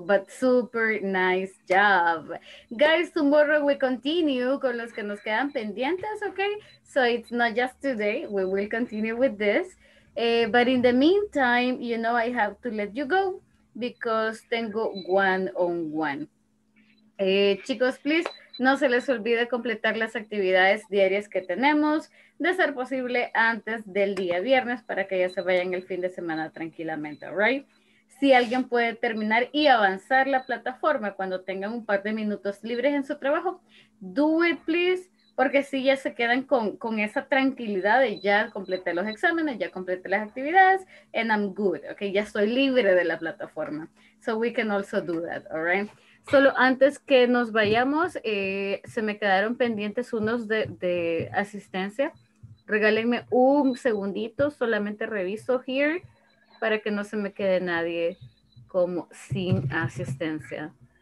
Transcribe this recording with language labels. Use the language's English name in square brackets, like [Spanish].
[English] But super nice job. Guys, tomorrow we continue [Spanish] con los que nos quedan pendientes, [English] okay? So it's not just today, we will continue with this. But in the meantime, you know, I have to let you go because tengo one-on-one. [Spanish] Chicos, please, no se les olvide completar las actividades diarias que tenemos, de ser posible antes del día viernes para que ya se vayan el fin de semana tranquilamente, right? Si alguien puede terminar y avanzar la plataforma cuando tengan un par de minutos libres en su trabajo, [English] do it, please. [Spanish] Porque si ya se quedan con esa tranquilidad de ya completé los exámenes, ya completé las actividades, [English] and I'm good, okay? [Spanish] Ya estoy libre de la plataforma. [English] So we can also do that, all right? [Spanish] Solo antes que nos vayamos, se me quedaron pendientes unos de asistencia. Regálenme un segundito, solamente reviso here para que no se me quede nadie como sin asistencia.